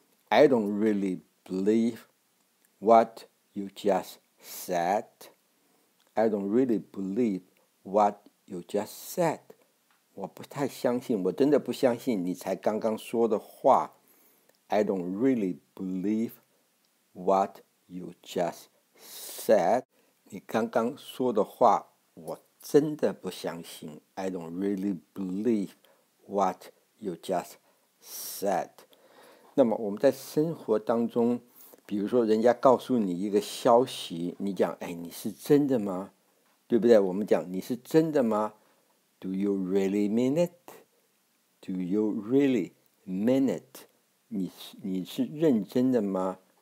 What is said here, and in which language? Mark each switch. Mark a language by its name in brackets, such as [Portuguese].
[English] I don't really believe what you just said. I don't really believe what you just said. [Chinese] 我不太相信，我真的不相信你才刚刚说的话。 [English] I don't really believe what you just said. [Chinese] 你刚刚说的话，我真的不相信。 [English] I don't really believe what you just said. [Chinese] 那么我们在生活当中，比如说人家告诉你一个消息，你讲，哎，你是真的吗？对不对？我们讲，你是真的吗？ [English] Do you really mean it? Do you really mean it? [Chinese] 你是认真的吗?